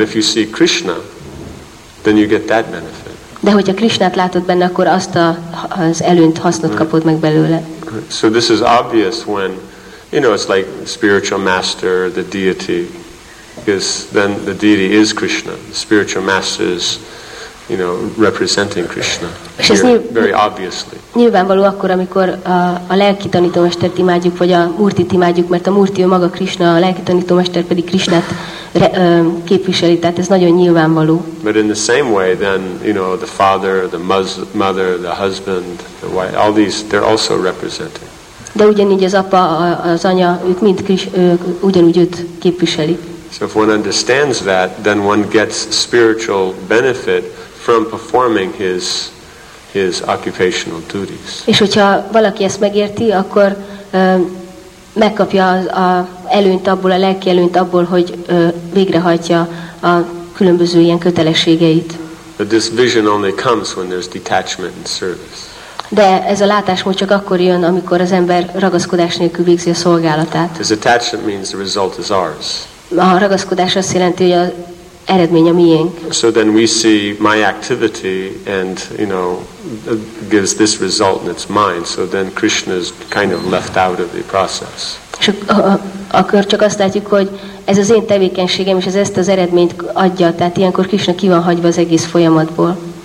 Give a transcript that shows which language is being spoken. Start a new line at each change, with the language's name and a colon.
English: But if you see Krishna, then you get that benefit.
Hungarian: De hogyha Krishnát látod benne, akkor azt az előnyt, hasznot kapod meg belőle.
English: So this is obvious when, you know, it's like spiritual master, the deity. Because then the deity is Krishna. The spiritual master is, you know, representing Krishna. Very obviously.
Hungarian: Nyilvánvaló akkor, amikor a lelki tanítómestert imádjuk, vagy a Murtit imádjuk, mert a Murti ő maga Krishna, a lelki tanítómester pedig Krishnát képviseli. Tehát ez nagyon nyilvánvaló.
English: But in the same way, then, you know, the father, the mother, the husband, the wife, all these, they're also representing.
Hungarian: De ugyanígy az apa, az anya, ők mind ugyanúgy őt képviseli.
English: So if one understands that, then one gets spiritual benefit from performing his his occupational duties.
Hungarian: És hogyha valaki ezt megérti, akkor megkapja a előnyt abból, a lelki előnyt abból, hogy végrehajtja a különböző ilyen kötelességeit.
English: But this vision only comes when there's detachment and service.
Hungarian: De ez a látásmód csak akkor jön, amikor az ember ragaszkodás nélkül végzi a szolgálatát.
English: His attachment means the result is ours.
Hungarian: A ragaszkodás azt jelenti, hogy az eredmény a miénk.
English: So then we see my activity and, you know, gives this result and it's mine. So then Krishna is kind of left out of the process.
Hungarian: És akkor csak azt látjuk, hogy ez az én tevékenységem, és ez ezt az eredményt adja. Tehát ilyenkor Krishna ki van hagyva az egész folyamatból.